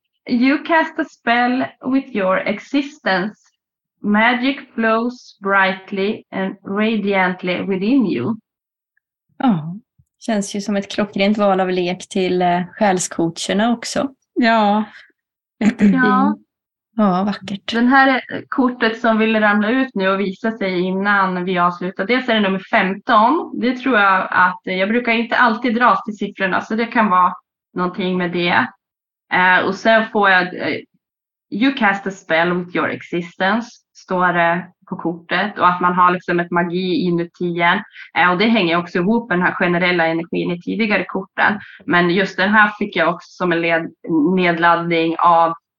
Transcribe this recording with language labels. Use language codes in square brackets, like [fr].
[en] you cast a spell with your existence. Magic flows brightly and radiantly within you. [sv] Ja, känns ju som ett klockrent val av lek till själscoacherna också. Ja. Ja, vackert. Den här kortet som ville ramla ut nu och visa sig innan vi avslutar. Dels är det nummer 15. Det tror jag att jag brukar inte alltid dra till siffrorna. Så det kan vara någonting med det. Och sen får jag... [en] You cast a spell with your existence. [sv] Står det på kortet. Och att man har liksom ett magi inuti en. Och det hänger också ihop med den här generella energin i tidigare korten. Men just den här fick jag också som en nedladdning av...